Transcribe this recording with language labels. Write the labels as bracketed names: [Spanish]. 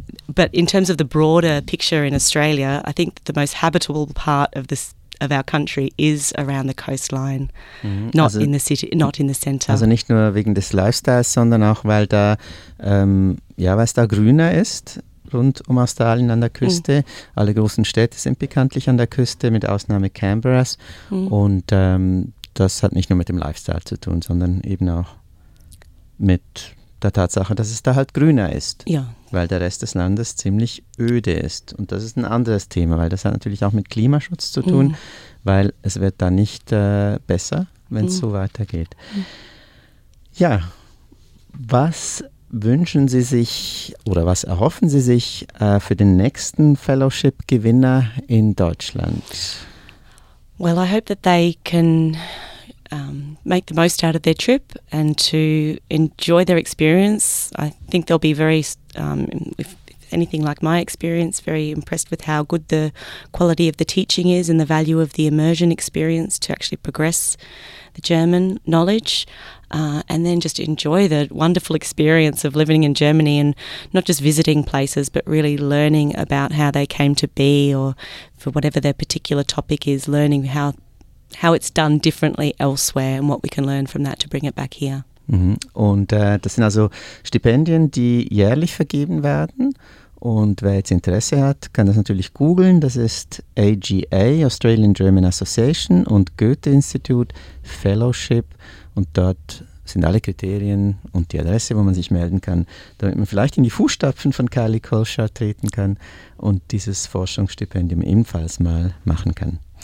[English] But in terms of the broader picture in Australia, I think the most habitable part of this of our country is around the coastline, not in the center. [German] Also nicht nur wegen des Lifestyles, sondern auch weil da weil es da grüner ist rund um Australien an der Küste. Alle großen Städte sind bekanntlich an der Küste, mit Ausnahme Canberras. Und das hat nicht nur mit dem Lifestyle zu tun, sondern eben auch mit der Tatsache, dass es da halt grüner ist, ja, weil der Rest des Landes ziemlich öde ist. Und das ist ein anderes Thema, weil das hat natürlich auch mit Klimaschutz zu tun, weil es wird da nicht besser, wenn es so weitergeht. Ja, was wünschen Sie sich oder was erhoffen Sie sich für den nächsten Fellowship-Gewinner in Deutschland? [English] Well, I hope that they can make the most out of their trip and to enjoy their experience. I think they'll be very, if anything like my experience, very impressed with how good the quality of the teaching is and the value of the immersion experience to actually progress the German knowledge. And then just enjoy the wonderful experience of living in Germany and not just visiting places, but really learning about how they came to be, or for whatever their particular topic is, learning how it's done differently elsewhere and what we can learn from that to bring it back here. [German] Und das sind also Stipendien, die jährlich vergeben werden. Und wer jetzt Interesse hat, kann das natürlich googeln. Das ist AGA, Australian German Association, und Goethe-Institut Fellowship. Und dort sind alle Kriterien und die Adresse, wo man sich melden kann, damit man vielleicht in die Fußstapfen von Kylie Kolscha treten kann und dieses Forschungsstipendium ebenfalls mal machen kann.